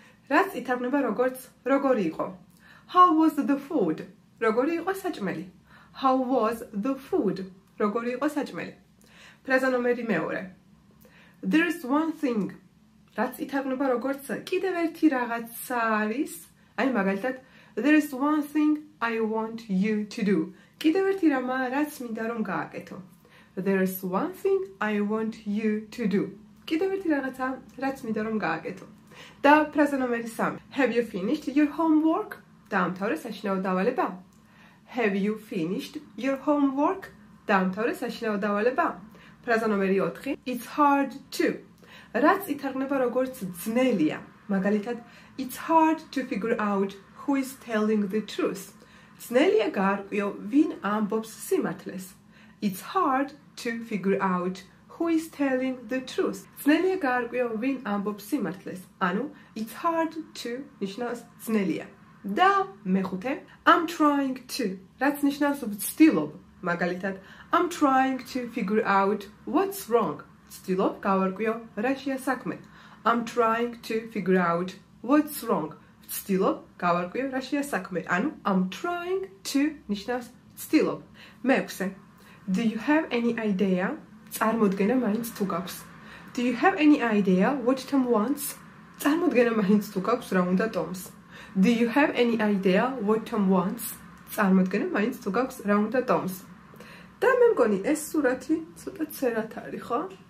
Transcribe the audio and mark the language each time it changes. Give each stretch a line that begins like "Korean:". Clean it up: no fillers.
Georgian: რაც ითარგმნება როგორც როგორი იყო.
English: How was the food?
Georgian: როგორი იყო საჭმელი?
English: How was the food? როგორი იყო საჭმელი?
Georgian: ფრაზა ნომერი 2.
English: There is one thing.
Georgian: რაც ითარგმნება როგორც კიდევ ერთი რაღაცა არის. აი მაგალითად,
English: there is one thing I want you to do.
Georgian: კიდევ ერთი რამა რაც მინდა რომ გააკეთო.
English: There is one thing I want you to do.
Georgian: კიდევ ერთი რაღაცა რაც მინდა რომ გააკეთო. და ფრაზა ნომერი 3.
English: Have you finished your homework?
Georgian: დაამთავრე საშინაო დავალება.
English: Have you finished your homework?
Georgian: დაამთავრე საშინაო დავალება. ფრაზა ნომერი 4.
English: It's hard to.
Georgian: რაც ითარგმნება როგორც ძნელია. მაგალითად,
English: It's hard to figure out who is telling the truth.
Georgian: ძნელია გაარკვიო, ვინ ამბობს სიმართლეს.
English: It's hard to figure out who is telling the truth.
Georgian: ძნელია გაარკვიო, ვინ ამბობს სიმართლეს. ანუ
English: it's hard to
Georgian: ნიშნავს ძნელია. და მეხუთე,
English: I'm trying to.
Georgian: რაც ნიშნავს ვცდილობ. მაგალითად,
English: I'm trying to figure out what's wrong.
Georgian: ვცდილობ გავარკვიო რა შეასაქმე.
English: I'm trying to figure out what's wrong.
Georgian: ვცდილობ გავარკვიო რა შეასაქმე. ანუ
English: I'm trying to
Georgian: ნიშნავს ვცდილობ. მეექვსე.
English: Do you have any idea?
Georgian: წარმოდგენა მაინც თუ გაქვს.
English: Do you have any idea what Tom wants?
Georgian: წარმოდგენა მაინც თუ გაქვს რა უნდა Tom-ს.
English: Do you have any idea what Tom wants?
Georgian: წარმოდგენა მაინც თუ გაქვს რა უნდა Tom-ს. და მე მგონი ეს სურათი ცოტა ცერათ არის, ხო?